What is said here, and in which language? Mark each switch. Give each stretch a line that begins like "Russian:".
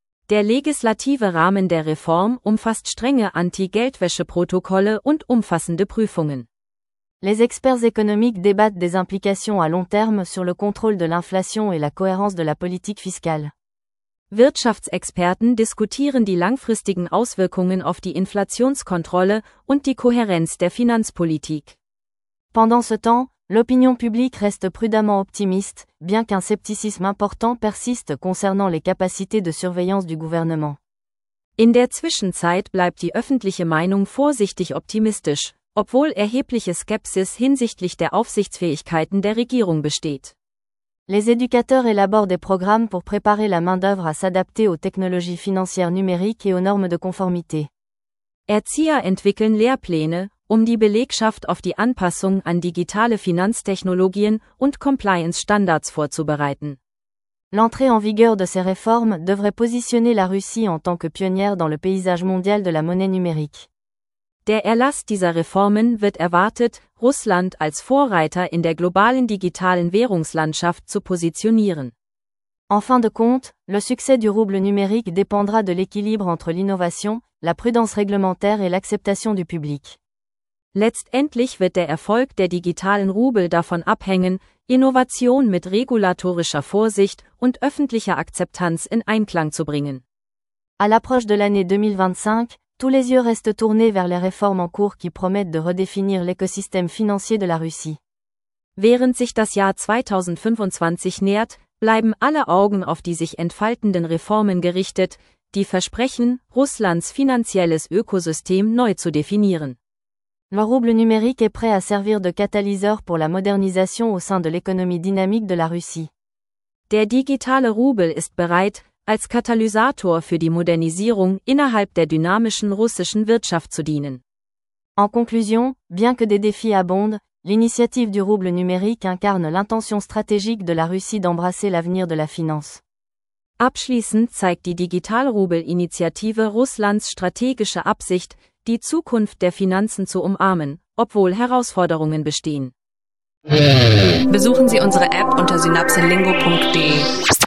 German: Der legislative Rahmen der Reform umfasst strenge Anti-Geldwäsche-Protokolle und umfassende Prüfungen.
French: Les experts économiques débattent des implications à long terme sur le contrôle de l'inflation et la cohérence de la politique fiscale.
German: Wirtschaftsexperten diskutieren die langfristigen Auswirkungen auf die Inflationskontrolle und die Kohärenz der Finanzpolitik.
French: Pendant ce temps, l'opinion publique reste prudemment optimiste, bien qu'un scepticisme important persiste concernant les capacités de surveillance du gouvernement.
German: In der Zwischenzeit bleibt die öffentliche Meinung vorsichtig optimistisch, obwohl erhebliche Skepsis hinsichtlich der Aufsichtsfähigkeiten der Regierung besteht.
French: Les éducateurs élaborent des programmes pour préparer la main-d'œuvre à s'adapter aux technologies financières numériques et aux normes de conformité.
German: Erzieher entwickeln Lehrpläne, um die Belegschaft auf die Anpassung an digitale Finanztechnologien und Compliance-Standards vorzubereiten.
French: L'entrée en vigueur de ces réformes devrait positionner la Russie en tant que pionnière dans le paysage mondial de la monnaie numérique.
German: Der Erlass dieser Reformen wird erwartet, Russland als Vorreiter in der globalen digitalen Währungslandschaft zu positionieren.
French: En fin de compte, le succès du rouble numérique dépendra de l'équilibre entre l'innovation, la prudence réglementaire et l'acceptation du public.
German: Letztendlich wird der Erfolg der digitalen Rubel davon abhängen, Innovation mit regulatorischer Vorsicht und öffentlicher Akzeptanz in Einklang zu bringen.
French: À l'approche de l'année 2025, tous les yeux restent tournés vers les réformes en cours qui promettent de redéfinir l'écosystème financier de la Russie.
German: Während sich das Jahr 2025 nähert, bleiben alle Augen auf die sich entfaltenden Reformen gerichtet, die versprechen, Russlands finanzielles Ökosystem neu zu definieren.
French: Le rouble numérique est prêt à servir de catalyseur pour la modernisation au sein de l'économie dynamique de la Russie.
German: Der digitale Rubel ist bereit, als Katalysator für die Modernisierung innerhalb der dynamischen russischen Wirtschaft zu dienen.
French: En conclusion, bien que des défis abondent, l'initiative du rouble numérique incarne l'intention stratégique de la Russie d'embrasser l'avenir de la finance.
German: Abschließend zeigt die Digitalrubel-Initiative Russlands strategische Absicht, die Zukunft der Finanzen zu umarmen, obwohl Herausforderungen bestehen. Besuchen Sie unsere App unter synapsenlingo.de.